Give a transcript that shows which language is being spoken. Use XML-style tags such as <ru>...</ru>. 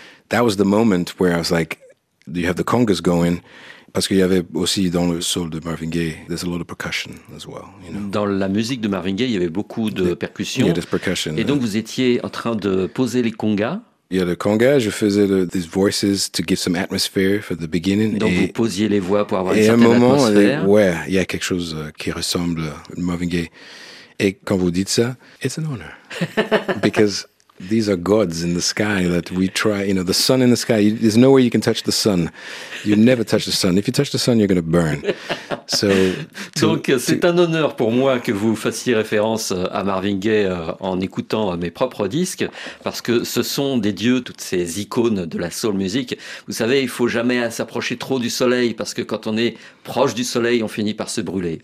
<en>That was the moment where I was like, you have the congas going.</en> <fr>Parce qu'il y avait aussi dans le soul de Marvin Gaye,</fr> <en>there's a lot of percussion as well. You know?</en> <fr>Dans la musique de Marvin Gaye, il y avait beaucoup de percussions.</fr> <en>Yeah, there's percussion.</en> <fr>Et donc vous étiez en train de poser les congas. Il y a le conga, je faisais</fr> <en>these voices to give some atmosphere for the beginning.</en> <fr>Donc vous posiez les voix pour avoir une certaine atmosphère. Et à un moment, ouais, il y a quelque chose qui ressemble à Marvin Gaye. Et quand vous dites ça,</fr> <en>it's an honor. Because these are gods in the sky that we try, you know, the sun in the sky, there's no way you can touch the sun. You never touch the sun. If you touch the sun, you're going to burn. So,</en> <fr>c'est un honneur pour moi que vous fassiez référence à Marvin Gaye en écoutant mes propres disques, parce que ce sont des dieux, toutes ces icônes de la soul music. Vous savez, il ne faut jamais s'approcher trop du soleil, parce que quand on est proche du soleil, on finit par se brûler.</fr>